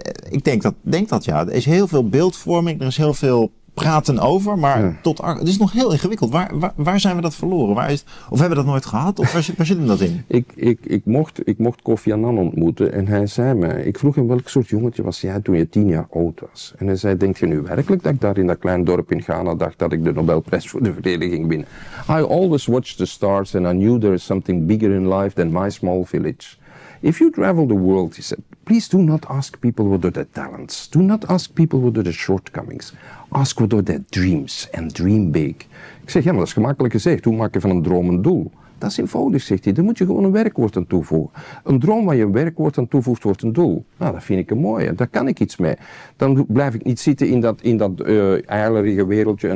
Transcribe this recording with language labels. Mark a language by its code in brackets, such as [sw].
[nl] Ik denk dat. Er is heel veel beeldvorming, er is heel veel praten over, maar het is nog heel ingewikkeld. Waar zijn we dat verloren? Of hebben we dat nooit gehad? Of waar zit hem dat in? Ik mocht Kofi Annan ontmoeten en hij zei mij, ik vroeg hem welk soort jongetje was jij toen je 10 jaar oud was? En hij zei, denk je nu werkelijk dat ik daar in dat klein dorp in Ghana dacht dat ik de Nobelprijs voor de Vrede ging winnen? [en] I always watched the stars and I knew there is something bigger in life than my small village. If you travel the world, he said, please do not ask people what are their talents. Do not ask people what are their shortcomings. Ask what are their dreams and dream big. [nl] Ik zeg, ja, maar dat is gemakkelijk gezegd. Hoe maak je van een droom een doel? Dat is eenvoudig, zegt hij. Daar moet je gewoon een werkwoord aan toevoegen. Een droom waar je een werkwoord aan toevoegt, wordt een doel. Nou, dat vind ik een mooie. Daar kan ik iets mee. Dan blijf ik niet zitten in dat eilerige wereldje.